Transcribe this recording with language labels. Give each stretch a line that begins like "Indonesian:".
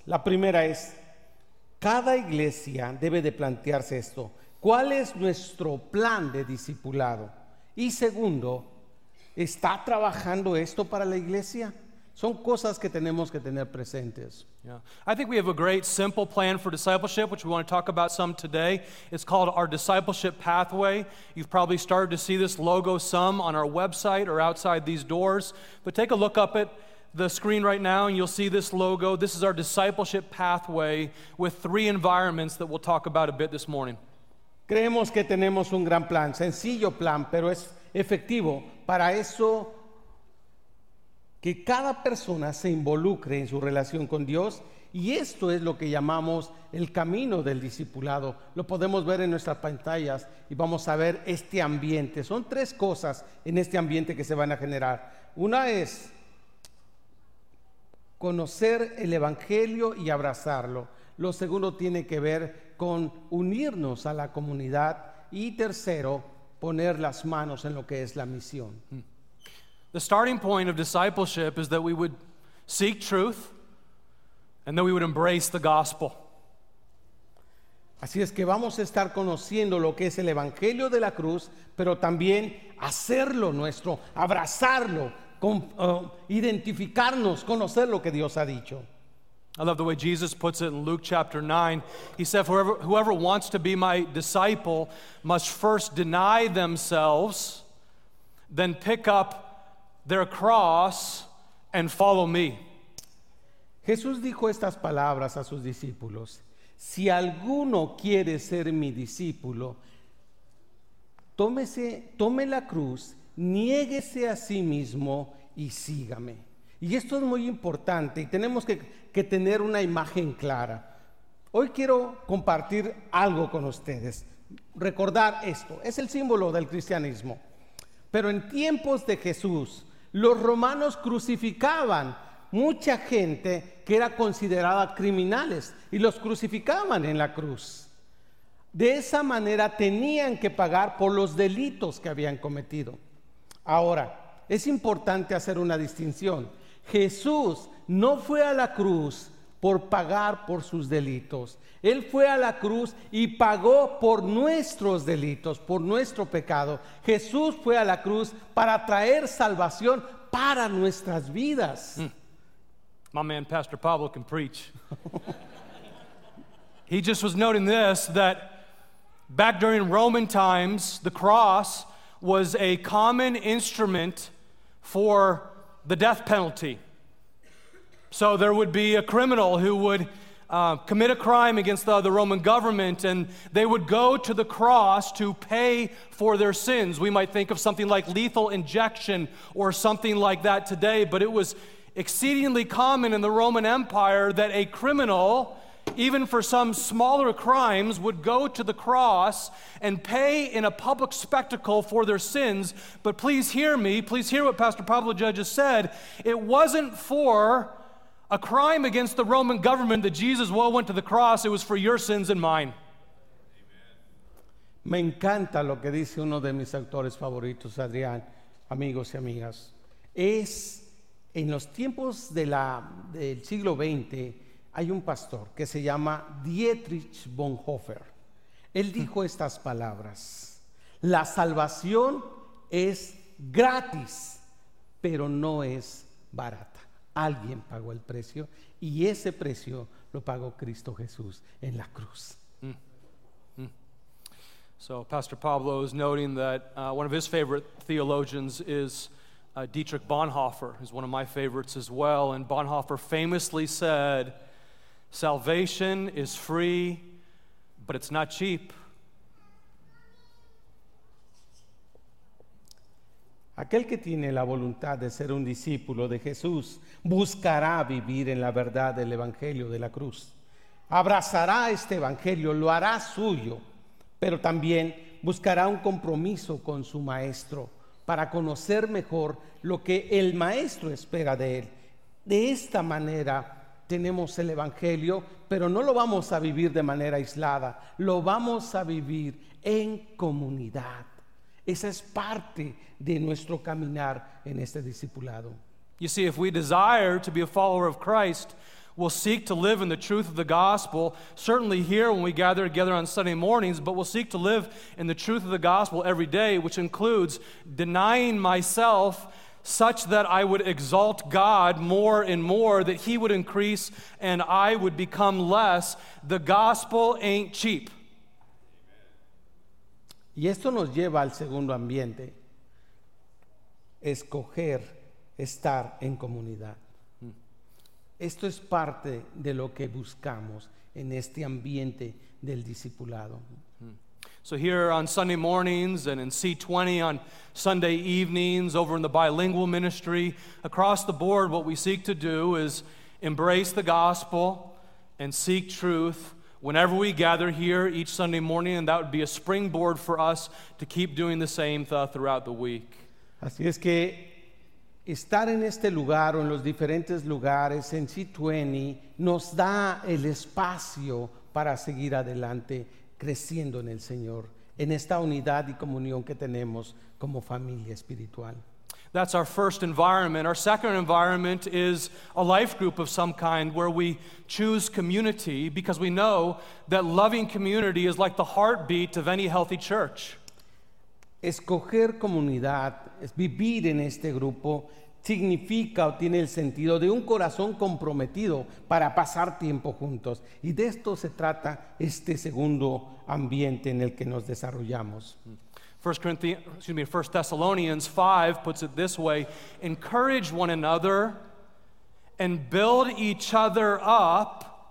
Spanish: La primera es, cada iglesia debe de plantearse esto: ¿cuál es nuestro plan de discipulado? Y segundo, ¿está trabajando esto para la iglesia? Son cosas que tenemos que tener presentes.
English: Yeah. I think we have a great simple plan for discipleship, which we want to talk about some today. It's called our discipleship pathway. You've probably started to see this logo some on our website or outside these doors. But take a look up at the screen right now and you'll see this logo. This is our discipleship pathway with three environments that we'll talk about a bit this morning.
Spanish: Creemos que tenemos un gran plan, sencillo plan, pero es efectivo. Para eso, que cada persona se involucre en su relación con Dios, y esto es lo que llamamos el camino del discipulado. Lo podemos ver en nuestras pantallas y vamos a ver este ambiente. Son tres cosas en este ambiente que se van a generar. Una es conocer el Evangelio y abrazarlo. Lo segundo tiene que ver con unirnos a la comunidad. Y tercero, poner las manos en lo que es la misión.
English: The starting point of discipleship is that we would seek truth and that we would embrace the gospel.
Spanish: Así es que vamos a estar conociendo lo que es el Evangelio de la cruz, pero también hacerlo nuestro, abrazarlo, identificarnos, conocer lo que Dios ha dicho.
English: I love the way Jesus puts it in Luke chapter 9. He said, whoever wants to be my disciple must first deny themselves, then pick up their cross and follow me.
Spanish: Jesús dijo estas palabras a sus discípulos. Si alguno quiere ser mi discípulo, tome la cruz, niéguese a sí mismo y sígame. Y esto es muy importante y tenemos que tener una imagen clara. Hoy quiero compartir algo con ustedes. Recordar esto. Es el símbolo del cristianismo. Pero en tiempos de Jesús, los romanos crucificaban mucha gente que era considerada criminales y los crucificaban en la cruz. De esa manera tenían que pagar por los delitos que habían cometido. Ahora, es importante hacer una distinción. Jesús no fue a la cruz por pagar por sus delitos. Él fue a la cruz y pagó por nuestros delitos, por nuestro pecado. Jesús fue a la cruz para traer salvación para nuestras vidas.
English: My man, Pastor Pablo, can preach. He just was noting this, that back during Roman times, the cross was a common instrument for the death penalty. So there would be a criminal who would commit a crime against the Roman government, and they would go to the cross to pay for their sins. We might think of something like lethal injection or something like that today, but it was exceedingly common in the Roman Empire that a criminal, even for some smaller crimes, would go to the cross and pay in a public spectacle for their sins. But please hear me, please hear what Pastor Pablo Judge just said. It wasn't for a crime against the Roman government that Jesus went to the cross. It was for your sins and mine.
Spanish: Me encanta lo que dice uno de mis autores favoritos, Adrián, amigos y amigas. Es en los tiempos del siglo XX, hay un pastor que se llama Dietrich Bonhoeffer. Él dijo estas palabras: la salvación es gratis, pero no es barata. Alguien pagó el precio, y ese precio lo pagó Cristo Jesús en la cruz.
English: So Pastor Pablo is noting that one of his favorite theologians is Dietrich Bonhoeffer, is one of my favorites as well. And Bonhoeffer famously said, salvation is free, but it's not cheap.
Spanish: Aquel que tiene la voluntad de ser un discípulo de Jesús buscará vivir en la verdad del Evangelio de la cruz. Abrazará este Evangelio, lo hará suyo, pero también buscará un compromiso con su Maestro para conocer mejor lo que el Maestro espera de él. De esta manera tenemos el Evangelio, pero no lo vamos a vivir de manera aislada, lo vamos a vivir en comunidad. Esa es parte de nuestro caminar en este discipulado.
English: You see, if we desire to be a follower of Christ, we'll seek to live in the truth of the gospel, certainly here when we gather together on Sunday mornings, but we'll seek to live in the truth of the gospel every day, which includes denying myself, such that I would exalt God more and more, that he would increase and I would become less. The gospel ain't cheap.
Spanish: Y esto nos lleva al segundo ambiente, escoger estar en comunidad. Esto es parte de lo que buscamos en este ambiente del discipulado.
English: So here on Sunday mornings and in C20 on Sunday evenings, over in the bilingual ministry, across the board, what we seek to do is embrace the gospel and seek truth whenever we gather here each Sunday morning, and that would be a springboard for us to keep doing the same throughout the week.
Spanish: Así es que estar en este lugar o en los diferentes lugares en C20 nos da el espacio para seguir adelante creciendo en el Señor, en esta unidad y comunión que tenemos como familia espiritual.
English: That's our first environment. Our second environment is a life group of some kind where we choose community because we know that loving community is like the heartbeat of any healthy church.
Spanish: Escoger comunidad, vivir en este grupo, significa o tiene el sentido de un corazón comprometido para pasar tiempo juntos. Y de esto se trata este segundo ambiente en el que nos desarrollamos.
English: 1 Thessalonians 5 puts it this way: encourage one another and build each other up.